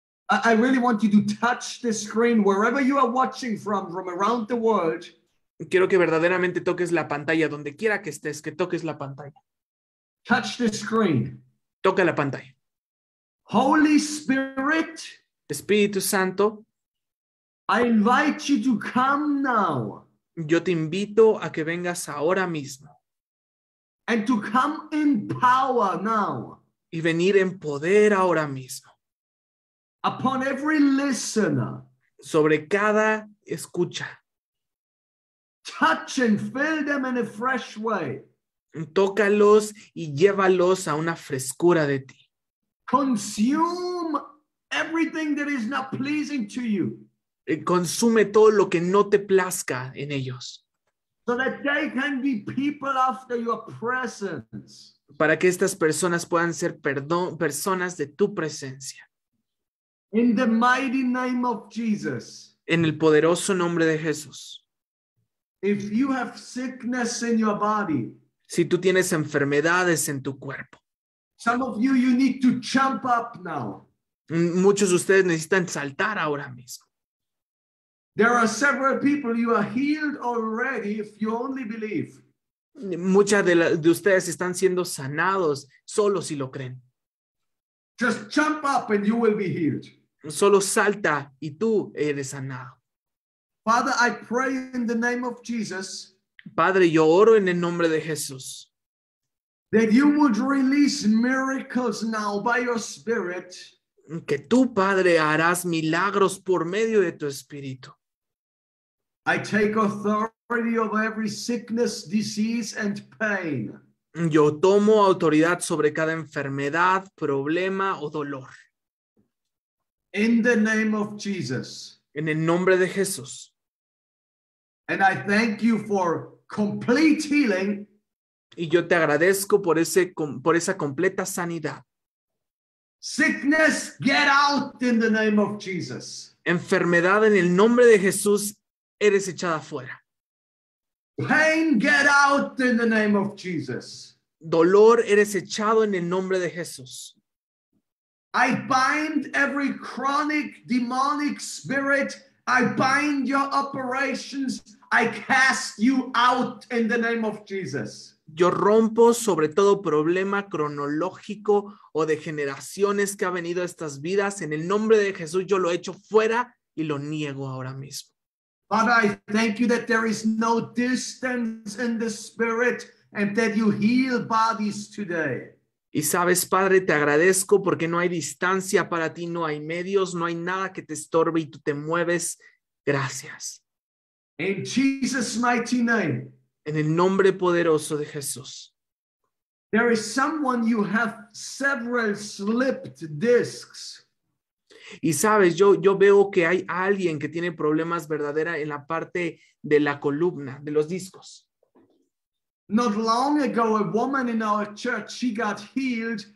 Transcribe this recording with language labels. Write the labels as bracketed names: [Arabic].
[English] I really want you to touch the screen wherever you are watching from around the world. [Spanish] Quiero que verdaderamente toques la pantalla donde quiera que estés, que toques la pantalla. [English] Touch the screen. [Spanish] Toca la pantalla. [English] Holy Spirit. [Spanish] Espíritu Santo. [English] I invite you to come now. [Spanish] Yo te invito a que vengas ahora mismo. [English] And to come in power now. [Spanish] Y venir en poder ahora mismo. [English] Upon every listener. [Spanish] Sobre cada escucha. [English] Touch and fill them in a fresh way. [Spanish] Tócalos y llévalos a una frescura de ti. [English] Consume everything that is not pleasing to you. [Spanish] Consume todo lo que no te plazca en ellos. [English] So that they can be people after your presence. [Spanish] Para que estas personas puedan ser personas de tu presencia. [English] In the mighty name of Jesus. [Spanish] En el poderoso nombre de Jesús. [English] If you have sickness in your body. [Spanish] Si tú tienes enfermedades en tu cuerpo. [English] Some of you need to jump up now. [Spanish] Muchos de ustedes necesitan saltar ahora mismo. [English] There are several people you are healed already if you only believe. [Spanish] Muchas de ustedes están siendo sanados solo si lo creen. [English] Just jump up and you will be healed. [Spanish] Solo salta y tú eres sanado. [English] Father, I pray in the name of Jesus. [Spanish] Padre, yo oro en el nombre de Jesús. [English] That you would release miracles now by your spirit. [Spanish] Que tú, Padre, harás milagros por medio de tu espíritu. [English] I take authority over every sickness, disease, and pain. [Spanish] Yo tomo autoridad sobre cada enfermedad, problema o dolor. [English] In the name of Jesus. [Spanish] En el nombre de Jesús. [English] And I thank you for complete healing. [Spanish] Y yo te agradezco por ese por esa completa sanidad. [English] Sickness, get out in the name of Jesus. [Spanish] Enfermedad, en el nombre de Jesús, eres echada fuera. [English] Pain, get out in the name of Jesus. [Spanish] Dolor, eres echado en el nombre de Jesús. [English] I bind every chronic demonic spirit. I bind your operations. I cast you out in the name of Jesus. [Spanish] Yo rompo sobre todo problema cronológico o de generaciones que ha venido a estas vidas. En el nombre de Jesús, yo lo echo fuera y lo niego ahora mismo. [English] Father, I thank you that there is no distance in the spirit and that you heal bodies today. [Spanish] Y sabes, Padre, te agradezco porque no hay distancia para ti, no hay medios, no hay nada que te estorbe y tú te mueves. Gracias. [English] In Jesus' mighty name. [Spanish] En el nombre poderoso de Jesús. [English] There is someone you have several slipped discs. [Spanish] Y sabes, yo veo que hay alguien que tiene problemas verdadera en la parte de la columna, de los discos. [English] Not long ago, a woman in our church, she got healed.